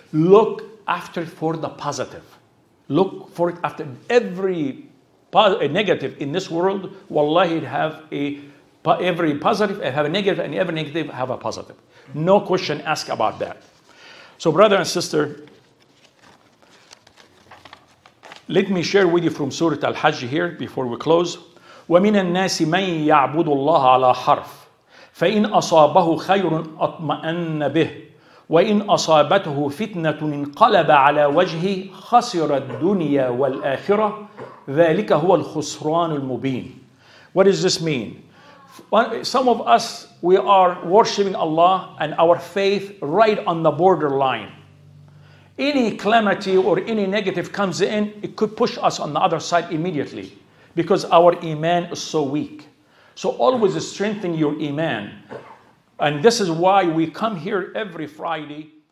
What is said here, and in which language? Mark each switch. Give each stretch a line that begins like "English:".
English: Look after for the positive. Look for it after every negative in this world. Wallahi, it have every positive, it have a negative, and every negative have a positive. No question asked about that. So brother and sister, let me share with you from Surah Al-Hajj here before we close.
Arabic: وَمِنَ النَّاسِ مَنْ يَعْبُدُ اللَّهَ عَلَى حَرْفٍ فإن أصابه خير أطمأن به وإن أصابته فتنة انقلب على وجهه خسر الدنيا والآخرة ذلك هو الخسران المبين.
English: What does this mean? Some of us, we are worshiping Allah and our faith right on the borderline. Any calamity or any negative comes in, it could push us on the other side immediately because our iman is so weak. So always strengthen your iman. And this is why we come here every Friday.